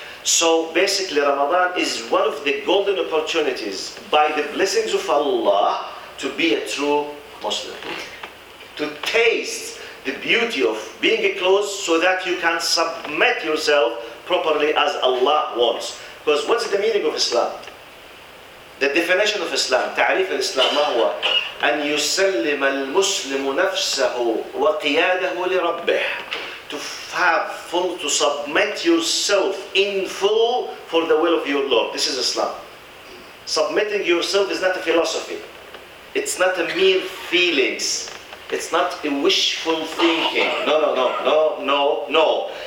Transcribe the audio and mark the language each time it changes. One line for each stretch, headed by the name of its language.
English: So basically, Ramadan is one of the golden opportunities by the blessings of Allah to be a true Muslim. To taste the beauty of being close so that you can submit yourself properly as Allah wants. Because what's the meaning of Islam? The definition of Islam,
Arabic: تعريف الإسلام ما هو؟ أن يسلم المسلم نفسه وقياده لربه.
English: To submit yourself in full for the will of your Lord. This is Islam. Submitting yourself is not a philosophy. It's not a mere feelings. It's not a wishful thinking. No.